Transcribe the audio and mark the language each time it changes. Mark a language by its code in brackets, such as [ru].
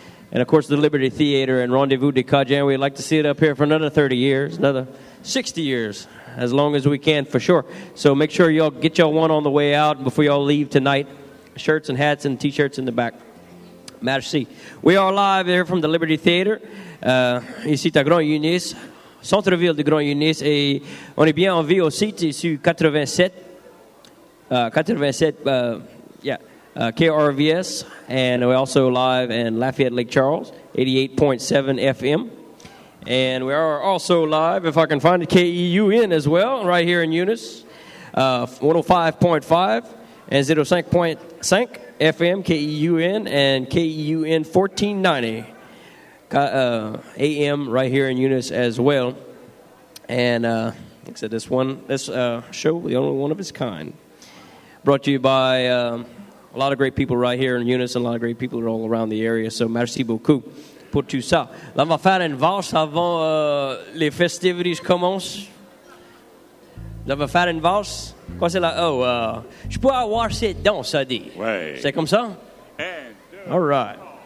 [en] And, of course, the Liberty Theater and Rendezvous de Cajun. We'd like to see it up here for another 30 years, another 60 years, as long as we can, for sure. So make sure y'all get y'all one on the way out before y'all leave tonight. Shirts and hats and T-shirts in the back. Merci. We are live here from the Liberty Theater. [fr] Ici à Grand Unis, centre-ville de Grand Unis. Et on est bien en vie aussi, c'est sur 87 KRVS. [en] And we're also live in Lafayette Lake Charles, 88.7 FM. And we are also live, if I can find it, KEUN as well, right here in Unis, 105.5 and 05.5 FM, KEUN, and KEUN 1490 AM right here in Unis as well. And like I said, this show, the only one of its kind, brought to you by a lot of great people right here in Unis, and a lot of great people all around the area. [fr] So merci beaucoup pour tout ça. Là, on va faire une valse avant les festivities commencent. Là, on va faire une valse. Quoi, c'est là? Je peux avoir cette danse, ça dit. Ouais. C'est comme ça? [en] All right.